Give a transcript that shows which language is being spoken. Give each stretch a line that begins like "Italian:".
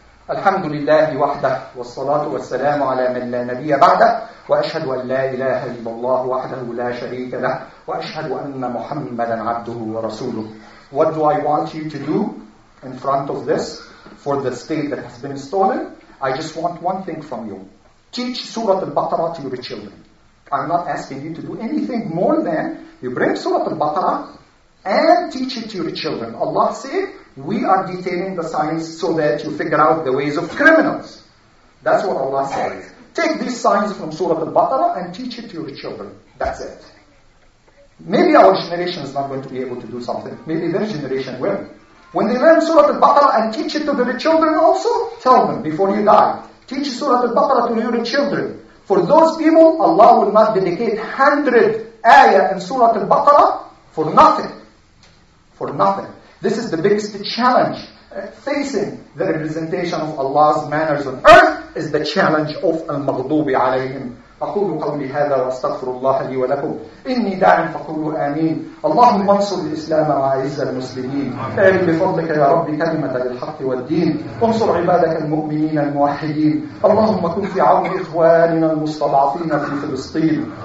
Arabic: الحمد لله وحده والصلاة والسلام على من لا نبي بعده وأشهد أن لا إله إلا الله وحده لا شريك له وأشهد أن محمدا عبده ورسوله.
English: What do I want you to do in front of this? For the state that has been stolen, I just want one thing from you. Teach Surah Al-Baqarah to your children. I'm not asking you to do anything more than you bring Surah Al-Baqarah and teach it to your children. Allah said, we are detailing the signs so that you figure out the ways of criminals. That's what Allah said. Take these signs from Surah Al-Baqarah and teach it to your children. That's it. Maybe our generation is not going to be able to do something. Maybe their generation will. When they learn Surah Al-Baqarah and teach it to their children also, tell them before you die, teach Surah Al-Baqarah to your children. For those people, Allah will not dedicate 100 ayah in Surah Al-Baqarah for nothing. For nothing. This is the biggest challenge facing the representation of Allah's manners on earth, is the challenge of Al-Maghdubi alayhim.
Arabic: أقول قولي هذا وأستغفر الله لي ولكم إني داع فقولوا آمين. اللهم انصر الإسلام وأعز المسلمين. أعلم بفضلك يا رب كلمة للحق والدين. انصر عبادك المؤمنين الموحدين. اللهم كن في عون إخواننا المستضعفين في فلسطين.